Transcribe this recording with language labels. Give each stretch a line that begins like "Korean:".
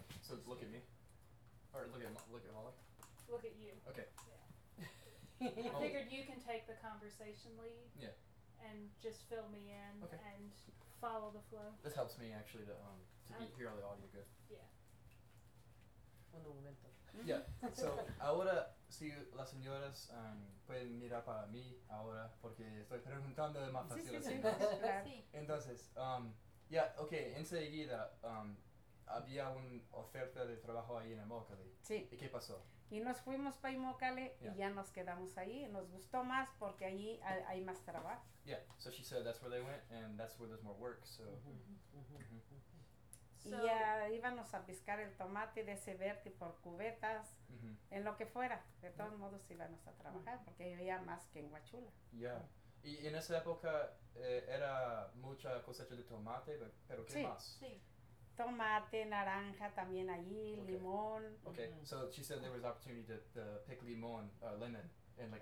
English: So it's look at me? Or look at Holly? Look at you. Okay. Yeah. I figured you can take the conversation lead. Yeah. And just fill me in. Okay. And follow the flow. This helps me actually to be hear all the audio good. Yeah.
Spanish: Un momento. Yeah. So ahora si las señoras pueden mirar para mí ahora porque estoy preguntando de más fácil. Sí, sí, sí. Entonces, yeah. Okay. Enseguida había una oferta de trabajo ahí en Immokalee. Sí. ¿Y qué pasó? Y nos fuimos para Immokalee yeah. y ya nos quedamos ahí. Nos gustó más porque allí hay más trabajo.
English: Yeah, so she said that's where they went and that's where there's more work, so. Mm-hmm. So
Spanish: y íbamos a piscar el tomate de ese verde por cubetas, mm-hmm. en lo que fuera. De todos mm-hmm. modos íbamos a trabajar porque había más que en Huachula. Yeah, y en esa época era mucha cosecha de tomate, pero ¿qué sí. más? Sí. Tomate, naranja, también allí, okay. limón. Okay, mm-hmm.
English: so she said there was opportunity to pick limón, lemon, and like